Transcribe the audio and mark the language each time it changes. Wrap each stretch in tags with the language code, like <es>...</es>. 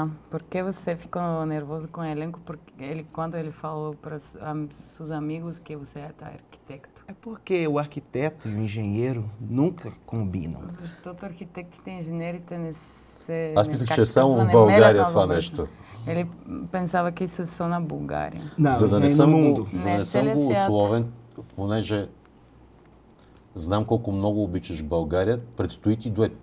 <pt>Porque você ficou nervoso com ele, porque ele quando ele falou para seus amigos que você é arquiteto. É porque o arquiteto e o engenheiro nunca combinam.</pt> <bg>Защото архитектите и инженерите не се... Аз мисля, че е само в България това нещо.</bg> <pt>Или pensava que isso só na Bulgária.</pt> <bg>За да не съм го условен, понеже знам колко много обичаш България, предстои ти дует.</bg>